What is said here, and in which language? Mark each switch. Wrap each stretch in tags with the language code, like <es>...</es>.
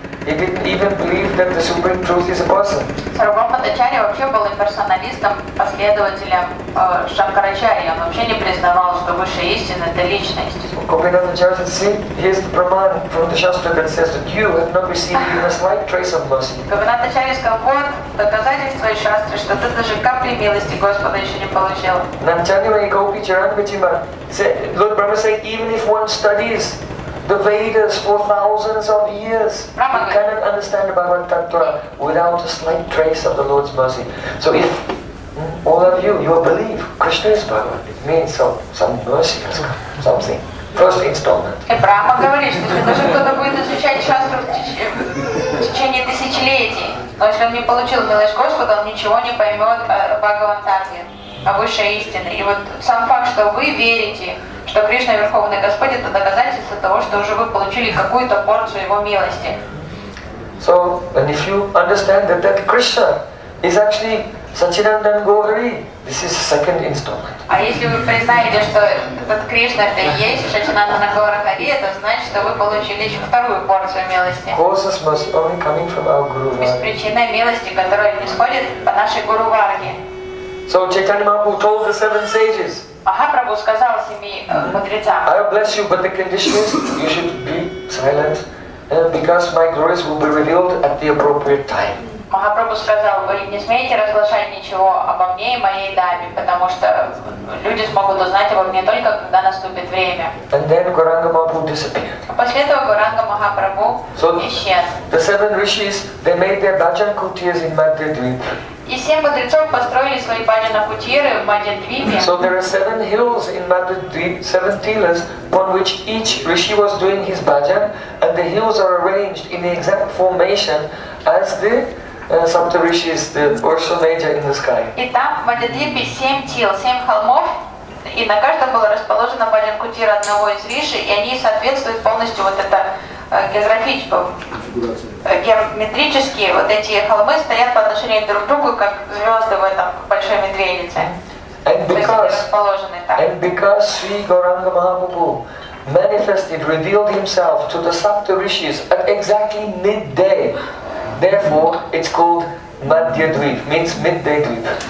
<en>He didn't even believe that the Supreme Truth is a person.</en> <ru>Сарвабхаумбхачарья вообще был имперсоналистом, последователем Шанкарачарьи. Он вообще не признавал, что высшая истина – это личность.</ru> <en>Gopinathacharya said, see, here's the Praman from the Shastra that says that you have not received even a slight trace of mercy.</en> <ru>Gopinathacharya сказал, вот доказательство из Шастры, что ты даже капли милости Господа еще не получил.</ru> <en>Namchanya Gopi Charan Vichima. Lord Brahma said, even if one studies the Vedas for thousands of years, Brahman cannot understand the Bhagavad Tattva without a slight trace of the Lord's mercy. So if all of you believe Krishna is Bhagavan, it means some mercy has come, something. First installment.</en> <ru>И Брахма говорит, что даже кто-то будет изучать шастру в течение тысячелетий, но если он не получил милость Господа, он ничего не поймет о Бхагавад Тате, о высшей истине. И вот сам факт, что вы верите, что Кришна Верховный Господь, это доказательство того, что уже вы получили какую-то порцию Его милости.</ru> <en>So, and if you understand that Krishna is actually Сачинандан Говари, this is the second installment.</en> <ru>А если вы признаете, что этот Кришна это и есть Сачинандан Говари, это значит, что вы получили еще вторую порцию милости.</ru> <en>Causes must only coming from our Guru Varga.</en> <ru>Без причины милости, которая не сходит по нашей Гуру Варге.</ru> <en>So Chaitanya Mahaprabhu told the seven sages.</en> <ru>Махапрабху сказал семи мудрецам.</ru> <en>I will bless you, but the condition is you should be silent, because my glories will be revealed at the appropriate time.</en> <ru>Махапрабху сказал, вы не смеете разглашать ничего обо мне и моей даме, потому что люди смогут узнать обо мне только когда наступит время.</ru> <en>And then Гуранга Махапрабху disappeared.</en> <ru>А после этого Гуранга Махапрабху исчез.</ru> <en>The seven rishis, they made their bhajan kutiyas in Madhya Dvipa.</en> <ru>И семь мудрецов построили свои баджанакутиры в Мадхья-двипе.</ru> <en>So there are seven hills in Mandadvip, seven tilas, on which each rishi was doing his bhajan, and the hills are arranged in the exact formation as the Sapta rishis, the Urshal Major in the sky.</en> <ru>И там в Мадхья-двипе семь тил, семь холмов, и на каждом было расположено баджанакутира одного из риши, и они соответствуют полностью вот это географическому. геометрические вот эти холмы стоят по отношению друг к другу, как звезды в этом большой медведице.</ru> <en>And because Sri Gauranga Mahaprabhu manifested, revealed himself to the Sapta Rishis at exactly midday, therefore it's called Madhya Dweep, means midday Dweep.</en>